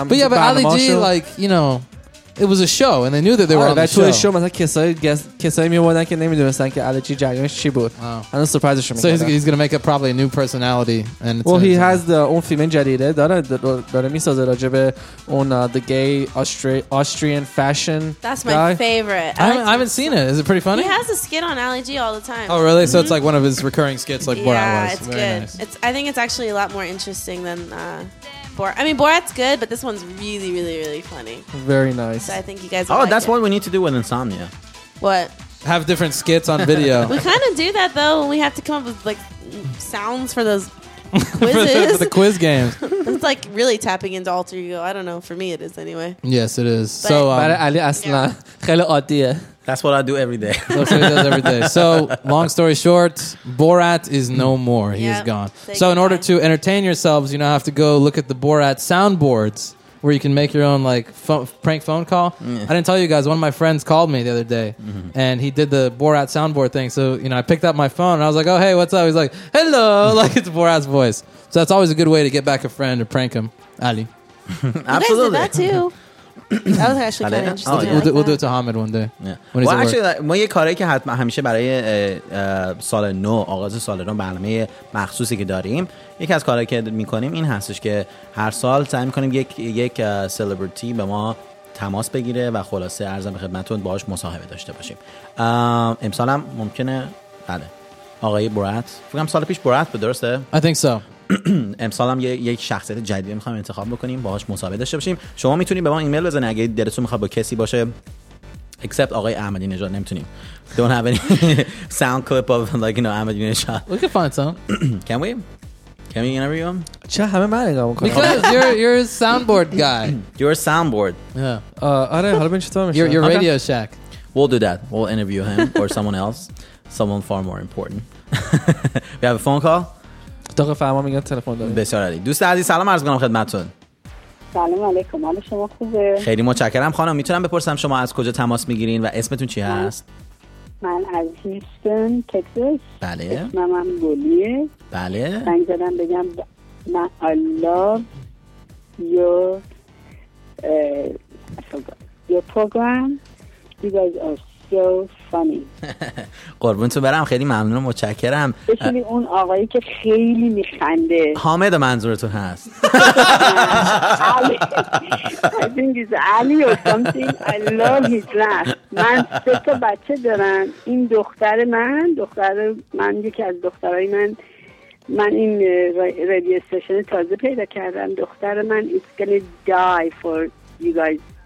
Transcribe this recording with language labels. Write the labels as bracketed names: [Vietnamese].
[English] But yeah, but Ali G, like, you know, it was a show and they knew that they were on the show. That's a show. [Persian] مثلا کسایی میوادن که نمیدونستن که Ali G جریانش چی بود. [English] I'm not surprised. So he's going to make up probably a new personality. And well, he has the [Persian] اون فیلم جدیده داره میسازه راجبه اون [English] the gay Austrian fashion. That's my favorite. I haven't seen it. Is it pretty funny? He has a skit on Ali G all the time. Oh, really? Mm-hmm. So it's like one of his recurring skits like Borat was. Yeah, it's good. I think it's actually a lot more interesting than I mean, Borat's good, but this one's really, really, really funny. Very nice. So I think you guys. Oh, like that's it. What we need to do with Insomnia. What? Have different skits on video. We kind of do that though. We have to come up with like sounds for those quizzes. for the quiz games. It's like really tapping into alter ego. I don't know. For me, it is anyway. Yes, it is. But so, [Persian] Ali Aslan, خیلی عادیه. [English] That's what I do every day. That's what he does every day. So, long story short, Borat is no more. He is gone. So, in order to entertain yourselves, you now have to go look at the Borat soundboards where you can make your own like prank phone call. Mm. I didn't tell you guys, one of my friends called me the other day and he did the Borat soundboard thing. So, you know, I picked up my phone and I was like, oh, hey, what's up? He's like, hello. Like, it's Borat's voice. So, that's always a good way to get back a friend or prank him. Ali. Absolutely. You guys did that too. That was actually kind of interesting. Oh, we'll do it to Hamid one day. Yeah. Well, actually, like, [Persian] ما یه کاری که حتما همیشه برای سال نو، آغاز سال نو برنامه مخصوصی که داریم، یکی از کارهایی که می‌کنیم این هستش که هر سال سعی می‌کنیم یک سلبریتی به ما تماس بگیره و خلاصه عرضم به خدمتتون باهاش مصاحبه داشته باشیم. امسال هم ممکنه بله. آقای برات، فکر کنم سال پیش برات بود، درسته؟ [English] I think so. [Persian] امسال هم یک شخصیت جدیدی میخوام انتخاب بکنیم باهاش مصاحبه داشته باشیم. شما میتونید به ما ایمیل بزنید اگه دلتون میخواد با کسی باشه except آقای احمدی نژاد. نمیتونیم. [English] Don't have any sound clip of like, you know, احمدی نژاد. We can find some. Can we? Can we interview him? [Persian] چه همه من نگاه میکنم. [English] Because you're a soundboard guy. You're a soundboard. Yeah. [Persian] آره حالا بینید چطور میشه. [English] You're Radio Shack. We'll do that. We'll interview him or someone else. Someone far more important. We have a phone call. [Persian] اتاق فرما میگه تلفن داره. بسیار عالی. دوست عزیز سلام عرض می‌کنم خدمتتون. سلام علیکم. حال شما خوبه؟ خیلی متشکرم خانم. میتونم بپرسم شما از کجا تماس میگیرین و اسمتون چی هست؟ من از هیوستن، تگزاس. بله. اسمم هم گلیه. بله. زنگ زدم بگم من [English] I love your program. You guys are so funny. [Persian] قربونتون برم خیلی ممنونم متشکرم. بشینی اون آقایی که خیلی میخنده. حامد منظورتون هست. [English] I think it's Ali or something. I love his laugh. [Persian] من سه تا بچه دارم. این دختر من یکی از دخترای من این رادیو استیشن تازه پیدا کردم. دختر من [English] it's gonna die for you guys.